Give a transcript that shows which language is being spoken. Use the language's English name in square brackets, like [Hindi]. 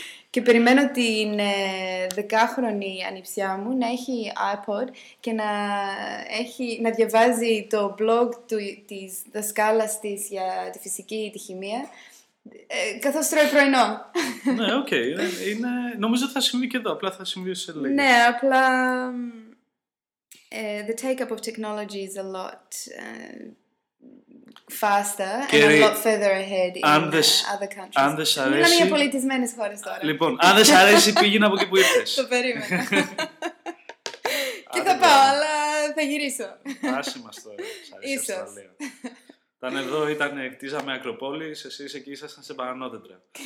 [Greek] Και περιμένω την δεκάχρονη ανιψιά μου να έχει iPod και να, έχει, να διαβάζει το blog του, της δασκάλας της για τη φυσική, τη χημεία, καθώς τρώει πρωινό. Ναι, οκ. Okay. Νομίζω θα συμβεί και εδώ, απλά θα συμβεί σε λίγο. Ναι, απλά... [English] the take-up of technology is a lot... faster [Greek] και [English] and a lot further ahead in [Greek] δες, [English] other countries. [Greek] Αν δεν σ' για πολιτισμένες χώρες τώρα. Λοιπόν, αν δεν σ' αρέσει, πήγαινε από εκεί που ήρθες. Το περίμενα. Και θα πάω, αλλά θα γυρίσω. Άσε μας τώρα, σ' αρέσει η Αυστραλία. Ήταν εδώ, ήταν, χτίζαμε ακροπόλεις, εσείς εκεί ήσασταν σε πανανόδεντρα.